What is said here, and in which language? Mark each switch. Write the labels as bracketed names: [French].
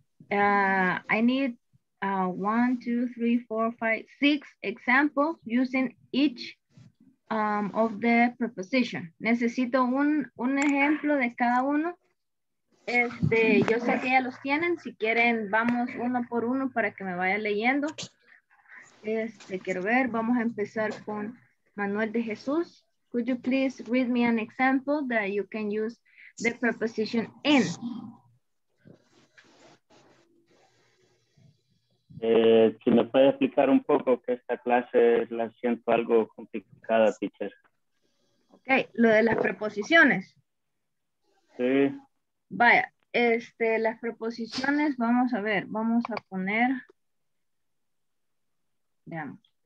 [English] I need 1, 2, 3, 4, 5, 6 examples using each of the preposition. [Spanish] Necesito un ejemplo de cada uno. Este, yo sé que ya los tienen. Si quieren, vamos uno por uno para que me vaya leyendo. Este, quiero ver. Vamos a empezar con Manuel de Jesús. [English] Could you please read me an example that you can use the preposition in? [Spanish] Si me puede explicar un poco que esta clase la siento algo complicada, teacher. Ok, lo de las preposiciones. Sí. Vaya, este, las preposiciones, vamos a ver, vamos a poner, veamos.